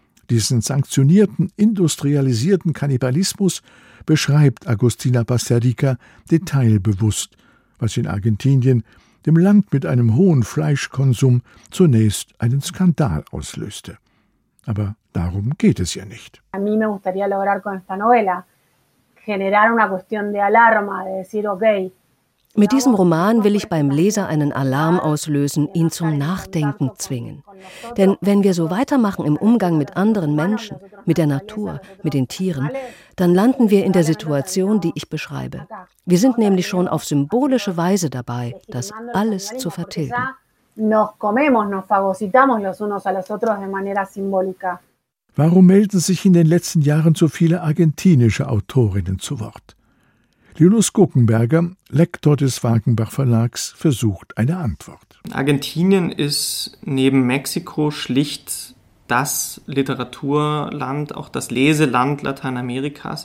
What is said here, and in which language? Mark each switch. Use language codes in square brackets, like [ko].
[de] Diesen sanktionierten, industrialisierten Kannibalismus beschreibt Agustina Basterrica detailbewusst, was in Argentinien, dem Land mit einem hohen Fleischkonsum, zunächst einen Skandal auslöste. Aber darum geht es ja nicht. [es] A mí me gustaría lograr con esta novela generar una cuestión de alarma, de decir, okay. [de] Mit diesem Roman will ich beim Leser einen Alarm auslösen, ihn zum Nachdenken zwingen. Denn wenn wir so weitermachen im Umgang mit anderen Menschen, mit der Natur, mit den Tieren, dann landen wir in der Situation, die ich beschreibe. Wir sind nämlich schon auf symbolische Weise dabei, das alles zu vertilgen. [es] Nos comemos, nos fagocitamos los unos a los otros de manera simbólica. [de] Warum melden sich in den letzten Jahren so viele argentinische Autorinnen zu Wort? Linus Guckenberger, Lektor des Wagenbach Verlags, versucht eine Antwort. Argentinien ist neben Mexiko schlicht das Literaturland, auch das Leseland Lateinamerikas.